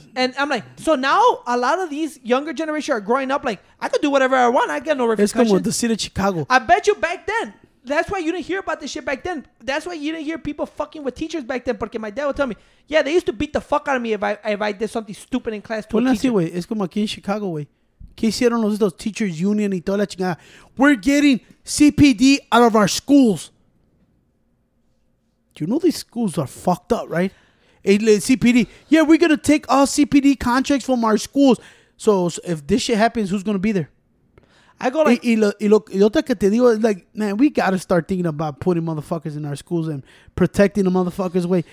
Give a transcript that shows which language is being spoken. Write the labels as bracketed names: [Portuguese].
[English] And I'm like, so now a lot of these younger generation are growing up like, I could do whatever I want. I got no repercussions. It's the city of Chicago. I bet you back then, that's why you didn't hear about this shit back then. That's why you didn't hear people fucking with teachers back then. Porque my dad would tell me, yeah, they used to beat the fuck out of me if I did something stupid in class to a teacher. Well, it's [Spanish] como aquí [English] in Chicago, güey. [Spanish] ¿Qué hicieron los dos teachers union y toda la chingada? [English] We're getting CPD out of our schools. You know these schools are fucked up, right? CPD. Yeah, we're going to take all CPD contracts from our schools. So if this shit happens, who's going to be there? I go like... man, we got to start thinking about putting motherfuckers in our schools and protecting the motherfuckers away.